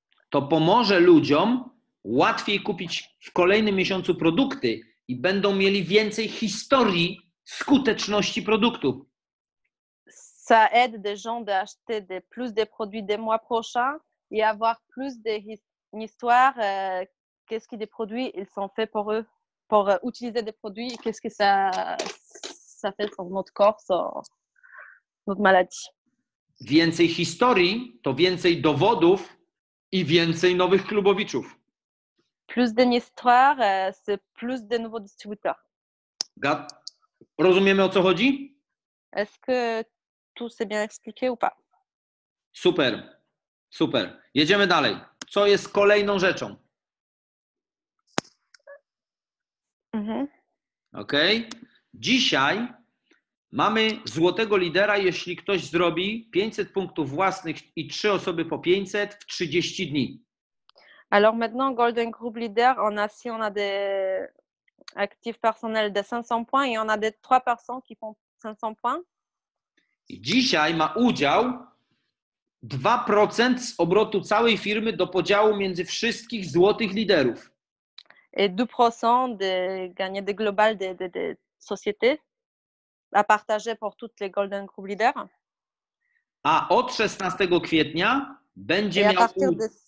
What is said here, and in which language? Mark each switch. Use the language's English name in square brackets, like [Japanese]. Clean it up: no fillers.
[Polish] To pomoże ludziom łatwiej kupić w kolejnym miesiącu produkty i będą mieli więcej historii skuteczności produktu. [French] Ça aide des gens d'acheter plus de produits des mois prochains et avoir plus d'histoires. Qu'est-ce que des produits ils sont faits pour eux, pour utiliser des produits, qu'est-ce que ça fait pour notre corps, notre maladie. [Polish] Więcej historii to więcej dowodów i więcej nowych klubowiczów. [French] Plus d'histoires, c'est plus de nouveaux distributeurs. [Polish] Rozumiemy, o co chodzi? [French] Est-ce que tu sais bien expliquer ou pas? [Polish] Super, super. Jedziemy dalej. Co jest kolejną rzeczą? Mm-hmm. Ok. Dzisiaj mamy złotego lidera, jeśli ktoś zrobi 500 punktów własnych i 3 osoby po 500 w 30 dni. [French] Alors maintenant, Golden Group Leader, on a, si on a des actifs personnels de 500 points et on a des 3 personnes qui font 500 points. [Polish] I dzisiaj ma udział 2% z obrotu całej firmy do podziału między wszystkich złotych liderów. [French] Et 2% de gagner de global de société à partager pour toutes les Golden Group Leaders. [Polish] A od 16 kwietnia będzie miał...